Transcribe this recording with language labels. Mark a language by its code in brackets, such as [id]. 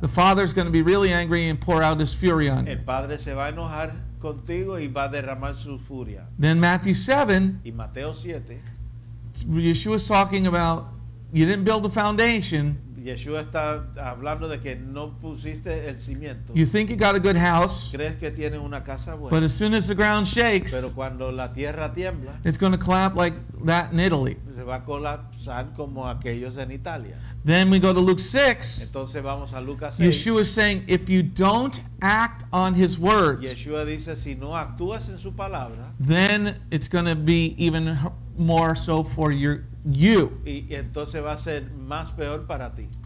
[en] the father is going to be really angry and pour out his fury on [es] el padre [en] you. [es] Se va a enojar contigo y va a derramar su furia. [en] Then Matthew 7, [es] y Mateo 7, [en] Yeshua is talking about you didn't build the foundation. [es] Yeshua está hablando de que no pusiste el cimiento. [en] You think you got a good house, [es] crees que tiene una casa buena, [en] but as soon as the ground shakes, [es] pero cuando la tierra tiembla, [en] it's going to collapse like that in Italy. [es] Se va a colapsar como aquellos en Italia. [en] Then we go to Luke 6. [es] Entonces vamos a Lucas 6. [en] Yeshua is saying, if you don't act on his word, [es] Yeshua dice, si no actúas en su palabra, [en] then it's going to be even more so for you. [es] Y entonces va a ser más peor para ti.